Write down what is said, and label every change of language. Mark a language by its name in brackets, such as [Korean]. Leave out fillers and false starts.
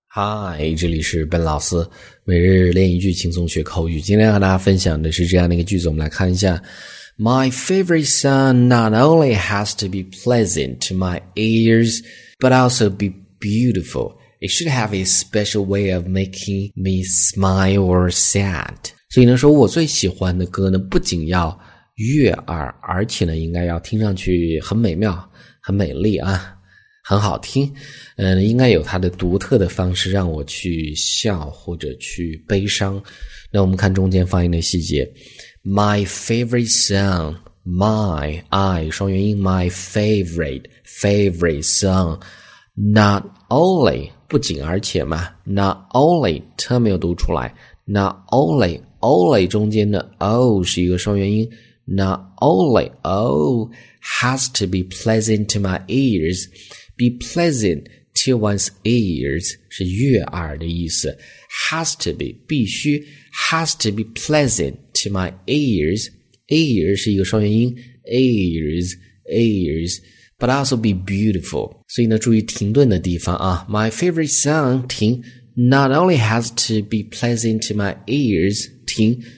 [Chinese] 嗨，这里是本老师，每日练一句轻松学口语。今天和大家分享的是这样的一个句子，我们来看一下。 [English] My favorite sound not only has to be pleasant to my ears, but also be beautiful. It should have a special way of making me smile or sad. [Chinese] 所以呢，说我最喜欢的歌呢，不仅要悦耳，而且呢，应该要听上去很美妙，很美丽啊。很好听，应该有它的独特的方式让我去笑或者去悲伤。那我们看中间发音的细节， [English] My favorite sound， [Chinese] my 双元音，my favorite sound， [English] not only [Chinese] 不仅而且嘛，not only 它没有读出来，not only 中间的 o 是一个双元音。 [English] Not only, oh, has to be pleasant to my ears, be pleasant to one's ears, [Chinese] 是悦耳的意思。 [English] Has to be, [Chinese] 必须。 [English] Has to be pleasant to my ears, ears [Chinese] 是一个双元音。 [English] Ears, ears, but also be beautiful. [Chinese] 所以呢，注意停顿的地方啊。 [English] My favorite sound, [Chinese] 停。 [English] Not only has to be pleasant to my ears, [Chinese] 停。